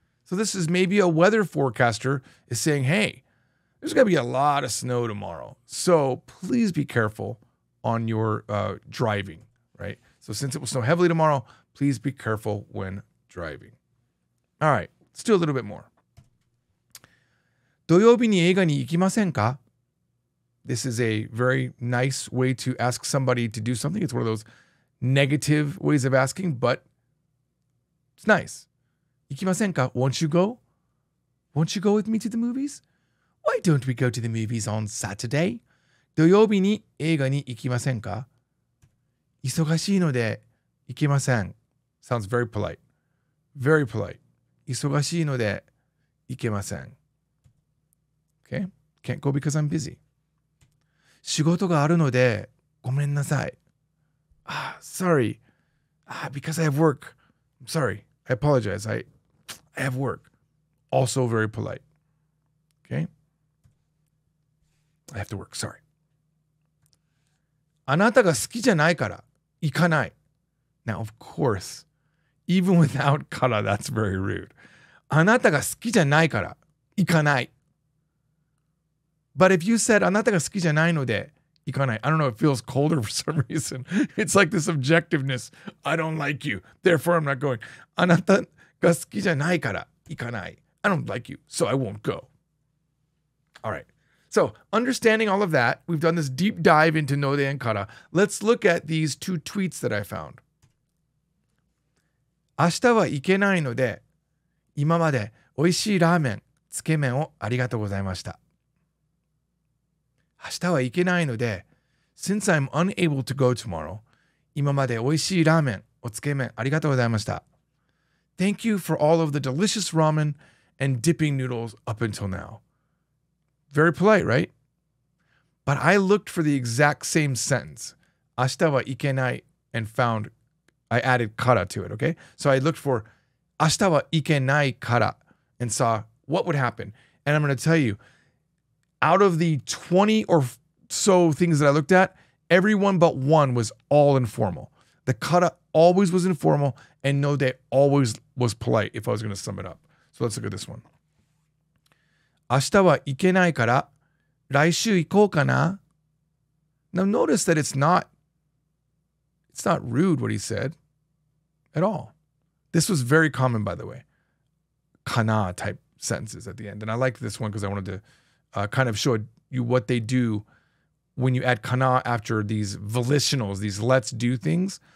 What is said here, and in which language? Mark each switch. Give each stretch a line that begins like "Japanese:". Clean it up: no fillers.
English: So this is maybe a weather forecaster is saying, hey, there's going to be a lot of snow tomorrow, so please be careful on your driving, right? So since it will snow heavily tomorrow, please be careful when driving. All right, let's do a little bit more.
Japanese: 土曜日に映画に行きませんか?
English: This is a very nice way to ask somebody to do something. It's one of those negative ways of asking, but it's nice.
Japanese: 行きませんか?
English: Won't you go? Won't you go with me to the movies? Why don't we go to the movies on Saturday?
Japanese: 土曜日に映画に行きませんか? 忙しいので行けません。
English: Sounds very polite. Very polite.
Japanese: 忙しいので行けません。
English: Okay, can't go because I'm busy.
Japanese: 仕事があるのでごめんなさい。
English: Ah, sorry. Ah, because I have work. I'm sorry. I apologize. I have work. Also very polite. Okay. I have to work. Sorry.
Japanese: あなたが好きじゃないから行かない。
English: Now, of course, even without から, that's very rude.
Japanese: あなたが好きじゃないから行かない。
English: But if you said,
Japanese: あなたが好きじゃないので行かない。
English: I don't know, it feels colder for some reason. It's like this objectiveness. I don't like you, therefore I'm not going.
Japanese: あなたが好きじゃないから行かない。
English: I don't like you, so I won't go. All right. So, understanding all of that, we've done this deep dive into ので and から. Let's look at these two tweets that I found.
Japanese: 明日は行けないので、今まで美味しいラーメン、つけ麺をありがとうございました。明日は行けないので、
English: Since I'm unable to go tomorrow,
Japanese: 今まで美味しいラーメン、おつけ麺、ありがとうございました。
English: Thank you for all of the delicious ramen and dipping noodles up until now. Very polite, right? But I looked for the exact same sentence.
Japanese: 明日は行けない
English: and found, I added から to it, okay? So I looked for
Japanese: 明日は行けないから
English: and saw what would happen. And I'm going to tell you, out of the 20 or so things that I looked at, everyone but one was all informal. The kara always was informal, and no de always was polite, if I was going to sum it up. So let's look at this one.
Japanese: 明日は行けないから、来週行こうかな。
English: Now notice that it's not rude what he said at all. This was very common, by the way. Kana type sentences at the end. And I liked this one because I wanted to kind of show you what they do when you add kana after these volitionals, these let's do things.